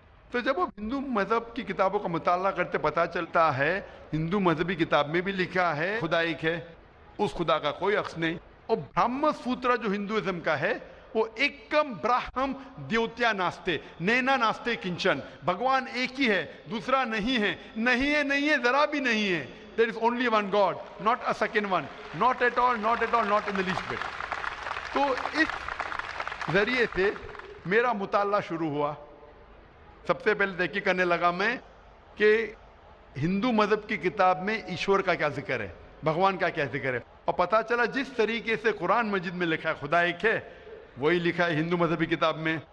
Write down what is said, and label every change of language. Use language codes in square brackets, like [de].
[ur] تو جب وہ ہندو مذہب کی کتابوں کا مطالعہ کرتے پتا چلتا ہے ہندو مذہبی کتاب میں بھی لکھا ہے خدا ایک ہے، اس خدا کا کوئی اکس نہیں. اور برہم سوترا جو ہندوازم کا ہے وہ [sa] ایکم براہم دیوتیا ناستے نینا ناستے کنچن، [ur] بھگوان ایک ہی ہے دوسرا نہیں ہے، نہیں ہے نہیں ہے ذرا بھی نہیں ہے. [en] There is only one God, not a second one, not at all, not in the least bit. [ur] تو اس ذریعے سے میرا مطالعہ شروع ہوا. سب سے پہلے تحقیق کرنے لگا میں کہ ہندو مذہب کی کتاب میں ایشور کا کیا ذکر ہے، بھگوان کا کیا ذکر ہے. اور پتا چلا جس طریقے سے قرآن مجید میں لکھا ہے خدا ایک ہے، وہی لکھا ہے ہندو مذہبی کتاب میں.